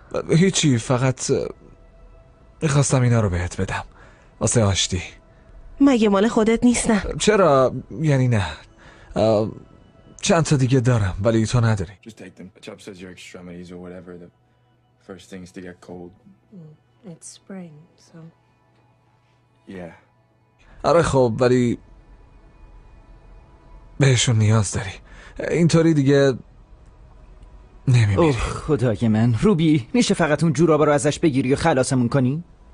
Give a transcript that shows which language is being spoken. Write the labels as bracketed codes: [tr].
[fa] هیچی، فقط میخواستم اینا رو بهت بدم واسه آشتی. مگه مال خودت نیستم؟ چرا؟ یعنی نه، چند تا دیگه دارم ولی تو نداری. [en] Just take them. Chop says your extremities or whatever the first thing is to get cold. It's spring, so. Yeah. [fa] آره خب، ولی بهشون نیاز داری. اینطوری دیگه نمیمیری. اوه خدای من، روبی، میشه فقط اون جورابا رو ازش بگیری و خلاصمون کنی؟